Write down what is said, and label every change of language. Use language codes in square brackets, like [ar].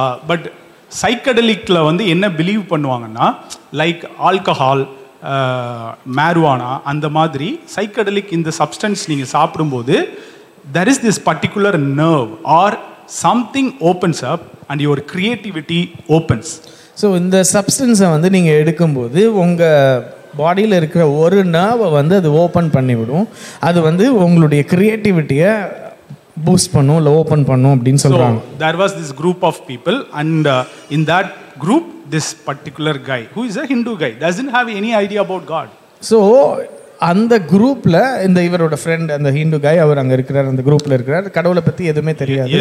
[ta] But சைக்கடலிக்கில் வந்து என்ன believe பண்ணுவாங்கன்னா, லைக் ஆல்கஹால், மேருவானா, அந்த மாதிரி சைக்கடலிக் இந்த சப்ஸ்டன்ஸ் நீங்கள் சாப்பிடும்போது [en] There is this particular nerve or something opens up and your creativity opens. [ta] So இந்த சப்ஸ்டன்ஸை வந்து நீங்கள் எடுக்கும்போது உங்கள் பாடியில் இருக்கிற ஒரு நர்வை வந்து அது ஓப்பன் பண்ணிவிடும், அது வந்து உங்களுடைய கிரியேட்டிவிட்டியை boost பண்ணோ இல்லை ஓப்பன் பண்ணோ அப்படின்னு சொல்கிறாங்க. [en] So, there was this group of people and in that group, this particular guy, who is a Hindu guy, doesn't have any idea about God. [ta] So, அந்த குரூப்பில் இந்த இவரோட ஃப்ரெண்ட், அந்த ஹிந்து கை, அவர் அங்கே இருக்கிறார், அந்த குரூப்பில் இருக்கிறார், கடவுளை பற்றி எதுவுமே தெரியாது.